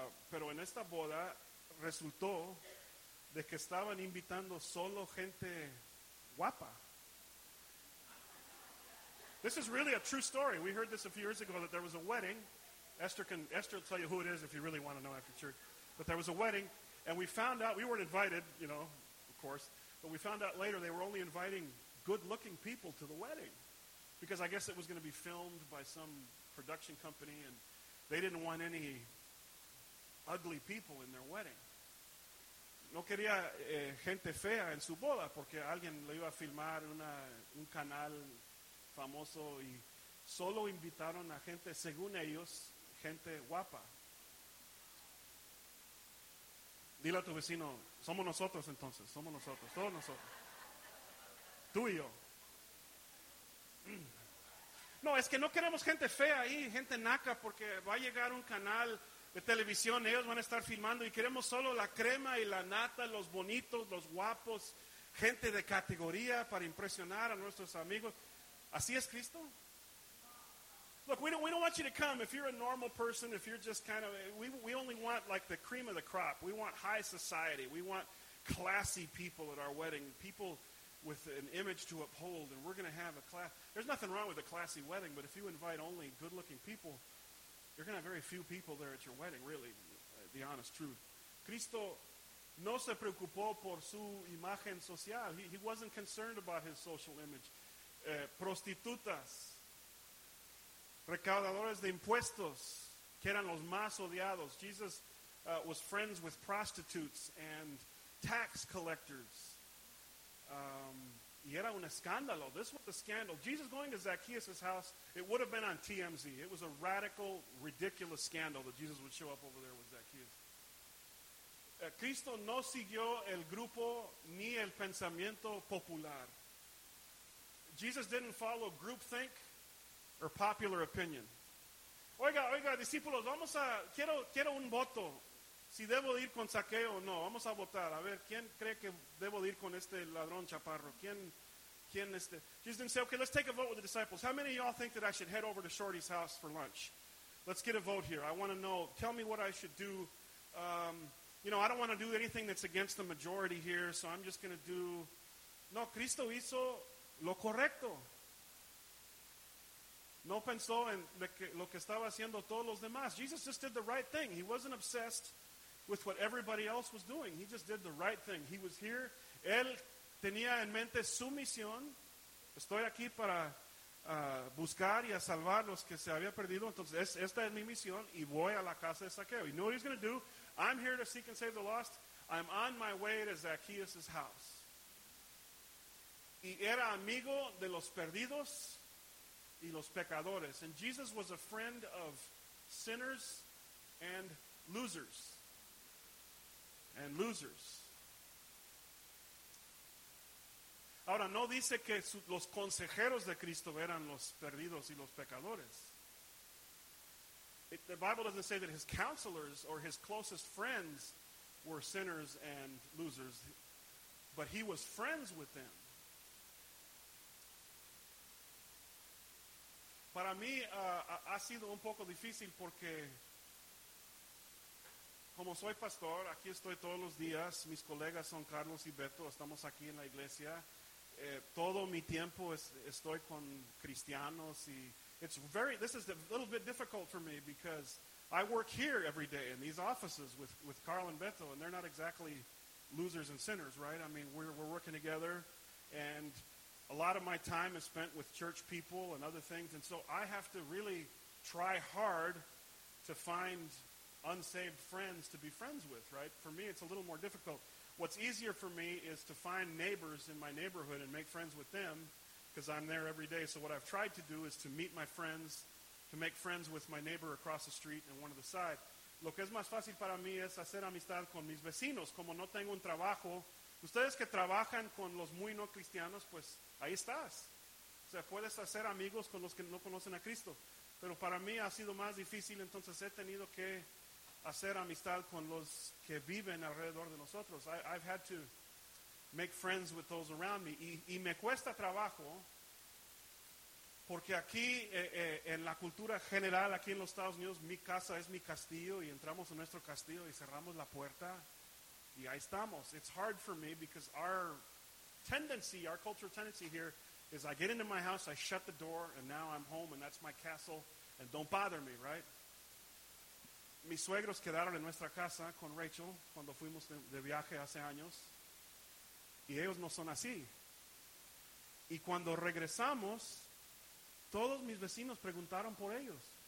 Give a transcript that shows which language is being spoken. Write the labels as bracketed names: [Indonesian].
[Spanish] Pero en esta boda resultó de que estaban invitando solo gente guapa. [English] This is really a true story. We heard this a few years ago that there was a wedding. Esther will tell you who it is if you really want to know after church. But there was a wedding, and we found out, we weren't invited, you know, of course, but we found out later they were only inviting good-looking people to the wedding because I guess it was going to be filmed by some production company, and they didn't want any ugly people in their wedding. [Spanish] No quería gente fea en su boda porque alguien lo iba a filmar en un canal famoso y solo invitaron a gente, según ellos, gente guapa. Dile a tu vecino, somos nosotros entonces, somos nosotros, todos nosotros. Tú y yo. No, es que no queremos gente fea ahí, gente naca, porque va a llegar un canal de televisión, ellos van a estar filmando y queremos solo la crema y la nata, los bonitos, los guapos, gente de categoría para impresionar a nuestros amigos. ¿Así es Cristo? [English] Look, we don't want you to come if you're a normal person, if you're just kind of, we only want like the cream of the crop. We want high society. We want classy people at our wedding, people with an image to uphold, and we're going to have a class. There's nothing wrong with a classy wedding, but if you invite only good-looking people, you're going to have very few people there at your wedding, really, the honest truth. [Spanish] Cristo no se preocupó por su imagen social. [English] He wasn't concerned about his social image. [Spanish] Prostitutas. Recaudadores de impuestos, que eran los más odiados. [English] Jesus was friends with prostitutes and tax collectors. [Spanish] Y era un escándalo. [English] This was a scandal. Jesus going to Zacchaeus' house, it would have been on TMZ. It was a radical, ridiculous scandal that Jesus would show up over there with Zacchaeus. [Spanish] Cristo no siguió el grupo ni el pensamiento popular. [English] Jesus didn't follow groupthink or popular opinion. [Spanish] Oiga, oiga, discípulos, vamos a, quiero un voto. Si debo ir con Zaqueo o no, vamos a votar. A ver, ¿quién cree que debo ir con este ladrón chaparro? ¿Quién? [English] Jesus didn't say, okay, let's take a vote with the disciples. How many of y'all think that I should head over to Shorty's house for lunch? Let's get a vote here. I want to know, tell me what I should do. You know, I don't want to do anything that's against the majority here, so I'm just going to do... [Spanish] No, Cristo hizo lo correcto. No pensó en lo que estaba haciendo todos los demás. [English] Jesus just did the right thing. He wasn't obsessed with what everybody else was doing. He just did the right thing. He was here. [Spanish] Él tenía en mente su misión. Estoy aquí para buscar y a salvar los que se había perdido. Entonces, esta es mi misión y voy a la casa de Zaqueo. [English] You know what he's going to do? I'm here to seek and save the lost. I'm on my way to Zacchaeus' house. [Spanish] Y era amigo de los perdidos. Y los pecadores. [English] And Jesus was a friend of sinners and losers. And losers. [Spanish] Ahora, no dice que los consejeros de Cristo eran los perdidos y los pecadores. [English] The Bible doesn't say that his counselors or his closest friends were sinners and losers. But he was friends with them. [Spanish] Para mí ha sido un poco difícil porque como soy pastor, aquí estoy todos los días, mis colegas son Carlos y Beto, estamos aquí en la iglesia, todo mi tiempo estoy con cristianos y [English] this is a little bit difficult for me because I work here every day in these offices with Carl and Beto, and they're not exactly losers and sinners, right? I mean, we're working together and a lot of my time is spent with church people and other things, and so I have to really try hard to find unsaved friends to be friends with, right? For me, it's a little more difficult. What's easier for me is to find neighbors in my neighborhood and make friends with them because I'm there every day. So what I've tried to do is to meet my friends, to make friends with my neighbor across the street and one of the side. [Spanish] Lo que es más fácil para mí es hacer amistad con mis vecinos. Como no tengo un trabajo, Ustedes que trabajan con los muy no cristianos, pues ahí estás. O sea, puedes hacer amigos con los que no conocen a Cristo. Pero para mí ha sido más difícil, entonces he tenido que hacer amistad con los que viven alrededor de nosotros. [English] I've had to make friends with those around me. [Spanish] Y me cuesta trabajo, porque aquí, en la cultura general, aquí en los Estados Unidos, mi casa es mi castillo, y entramos en nuestro castillo y cerramos la puerta, y ahí estamos. [English] It's hard for me because our cultural tendency here is I get into my house, I shut the door, and now I'm home, and that's my castle, and don't bother me, right? [Spanish] Mis suegros quedaron en nuestra casa con Rachel cuando fuimos de viaje hace años, y ellos no son así. Y cuando regresamos, todos mis vecinos preguntaron por ellos.